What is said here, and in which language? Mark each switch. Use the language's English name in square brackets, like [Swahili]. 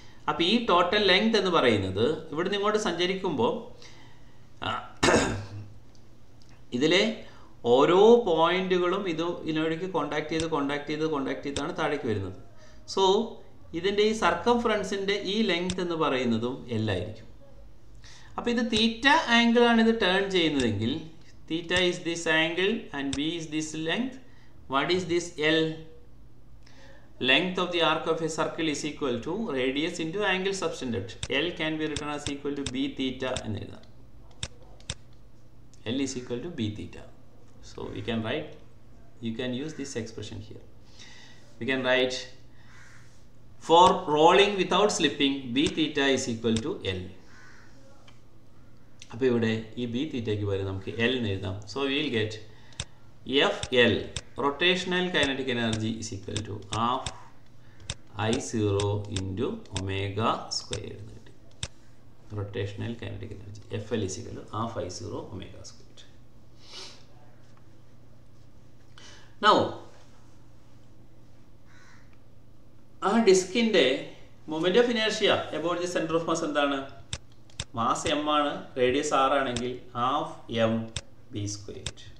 [Malayalam] അപ്പോൾ ഈ total length എന്ന് പറയുന്നത് ഇവിടുന്ന് ഇങ്ങോട്ട് സഞ്ചരിക്കുമ്പോൾ ഇതിലെ ഓരോ പോയിന്റുകളും ഇത് ഇതിനോടേക്ക് കോൺടാക്ട് ചെയ്ത് കോൺടാക്ട് ചെയ്ത് കോൺടാക്ട് ചെയ്താണ് താഴേക്ക് വരുന്നത്. സോ ഇതിൻ്റെ ഈ സർക്കംഫറൻസിൻ്റെ ഈ ലെങ്ത് എന്ന് പറയുന്നതും എല്ലായിരിക്കും. അപ്പോൾ ഇത് തീറ്റ ആംഗിളാണ് ഇത് ടേൺ ചെയ്യുന്നതെങ്കിൽ, [English] Theta is this angle and B is this length, what is this L? Length of the arc of a circle is equal to radius into angle subtended. L can be written as equal to b theta. L is equal to b theta. So we can write, you can use this expression here. We can write, for rolling without slipping, b theta is equal to L. [Malayalam] Appo ivide ee b theta ki varu namaku L nezhudam. [English] So we will get FL, rotational kinetic energy is equal to half I0 into omega square. Rotational kinetic energy, FL is equal to half I0 omega square. [Malayalam] Now, ആ ഡിസ്കിൻ്റെ moment of inertia about the centre of mass എന്താണ്? Mass M ആണ്, radius R ആണെങ്കിൽ half M B square.